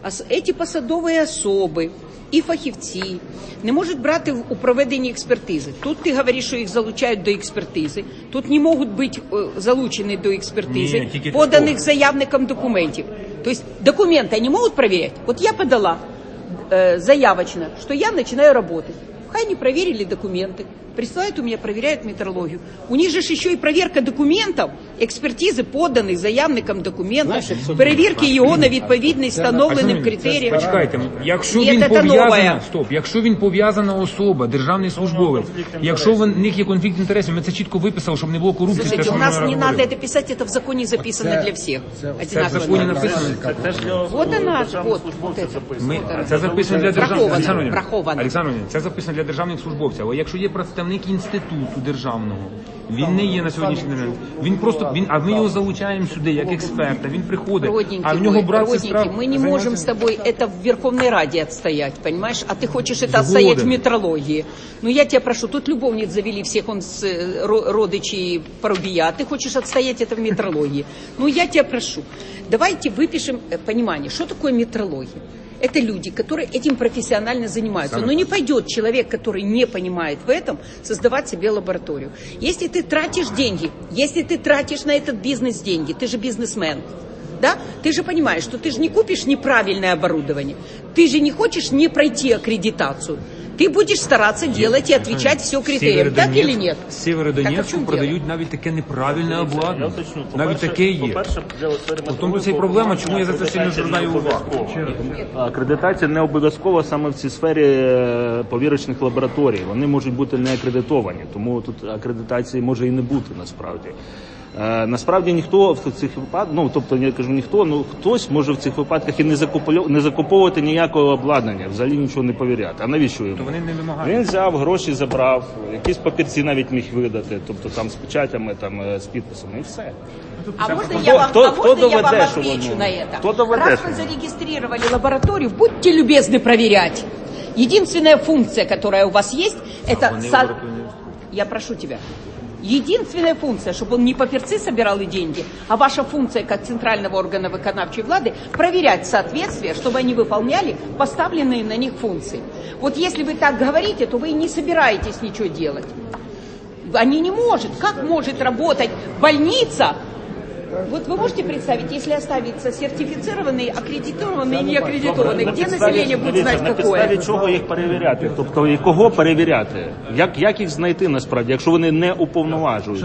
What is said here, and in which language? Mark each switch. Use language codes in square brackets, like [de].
[uk] эти посадові особи і фахівці не можуть брати у проведенні експертизи. Тут ти говориш, що їх залучають до експертизи. Тут не можуть бути залучені до експертизи, поданих заявникам документів. Тобто документи не можуть перевіряти? От я подала заявочно, що я починаю роботи. [ru] Хай не проверили документы. Присылают у меня, проверяют метрологию. У них же еще и проверка документов, экспертизы, поданных заявником документов, проверки его на відповідність встановленным критериям. [uk] Почекайте, якщо він пов'язана, стоп, якщо він пов'язана особа, державний службовець, якщо в них є конфлікт інтересів, ми це чітко виписали, щоб не було корупції. [ru] Слушайте, у нас не надо это писать, это [uk] в законі записано для всіх. Це в законі написано. [ru] Вот она, вот. [uk] Це записано для державних. Враховано. Олександровна, це записано для державних службовців. Але якщо є представник інституту державного, він не є на сьогоднішній день. Він просто, ми його залучаємо сюди як експерта, він приходить, а в нього брат сестра. Родненький, ми не можемо з тобою це в Верховній Раді відстояти, розумієш? А ти хочеш це відстояти в метрології. Ну я тебе прошу, тут любовниць завели всіх, он з родичі Парубія, а ти хочеш відстояти це в метрології. Ну я тебе прошу, давайте випишемо розуміння, що таке метрологія? [ru] Это люди, которые этим профессионально занимаются. Но не пойдет человек, который не понимает в этом, создавать себе лабораторию. Если ты тратишь деньги, если ты тратишь на этот бизнес деньги, ты же бизнесмен, да? Ты же понимаешь, что ты же не купишь неправильное оборудование. Ты же не хочешь не пройти аккредитацию. [uk] Ти будеш старатися робити і відповідати всі критерії, так чи ні? В Сєвєродонецьку продають навіть таке неправильне обладнання. Навіть таке є. В тому числі проблема, чому я за це сильно звертаю увагу. Акредитація не обов'язкова саме в цій сфері повірочних лабораторій. Вони можуть бути не акредитовані, тому тут акредитації може і не бути насправді. Насправді ніхто в цих випадках, ну тобто я кажу ніхто, ну хтось може в цих випадках і не закуповувати ніякого обладнання, взагалі нічого не повіряти. А навіщо йому? То вони не вимагають. Він взяв гроші, забрав, якісь папірці навіть міг видати, тобто там з печатями, там з підписами, і все. [ru] А можна я вам отвечу на это? [uk] Раз ви зарегістрували лабораторію, будьте любезні перевіряти. Єдинственна функція, яка у вас є, це... Я прошу тебе. [ru] Единственная функция, чтобы он не паперцы собирал и деньги, а ваша функция как центрального органа выконавчей влады проверять соответствие, чтобы они выполняли поставленные на них функции. Вот если вы так говорите, то вы и не собираетесь ничего делать. Они не могут. Как может работать больница? Вот вы можете представить, если оставится сертифицированный, аккредитованный и неаккредитованный, где население будет знать, какое? [uk] На підставі чого їх перевіряти? Тобто, кого перевіряти? Як їх знайти, насправді, якщо вони не уповноважують?